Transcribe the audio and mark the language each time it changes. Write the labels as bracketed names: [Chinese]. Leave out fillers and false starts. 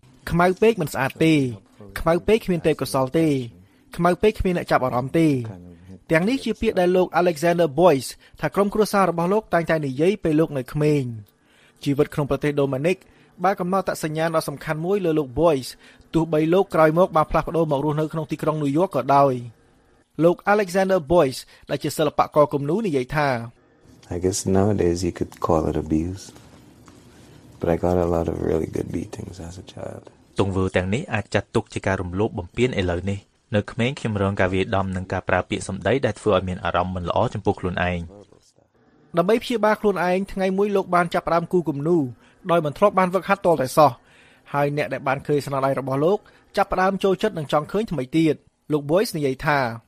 [Khmer] ខ្មៅពេកមិនស្អាតទេខ្មៅពេកគ្មានទេពកោសលទេខ្មៅពេកគ្មានអ្នកចាប់អារម្មណ៍ទេទាំងនេះជាពាក្យដែលលោក Alexander Boys ថាក្រុមគ្រួសាររបស់លោកតែងតែនិយាយពេលលោកនៅក្មេងជីវិតក្នុងប្រទេស Dominic បានកំណត់អត្តសញ្ញាណដ៏សំខាន់មួយលើលោក Boys ទោះបីលោកក្រោយមកបានផ្លាស់ប្ដូរមករស់នៅក្នុងទីក្រុង New York ក៏ដោយលោក Alexander Boys ដែលជាសិល្បករគំនូរនិយាយថា [English] I guess nowadays you could call it abuse but I got a lot of really good beatings as a child [Khmer] ទង្វើទាំងនេះអាចចាត់ទុកជាការរំលោភបំពានឥឡូវនេះនៅក្មេងខ្ញុំរងការវាយដំនិងការប្រើពាក្យសម្ដីដែលធ្វើឲ្យមានអារម្មណ៍មិនល្អចំពោះខ្លួនឯង ដើម្បីព្យាបាលខ្លួនឯងថ្ងៃមួយលោកបានចាប់ផ្ដើមគូគំនូរដោយមិនធ្លាប់បានហ្វឹកហាត់តតែសោះហើយអ្នកដែលបានឃើញស្នាដៃរបស់លោកចាប់ផ្ដើមចូលចិត្តនិងចង់ឃើញថ្មីទៀតលោក Boys និយាយថា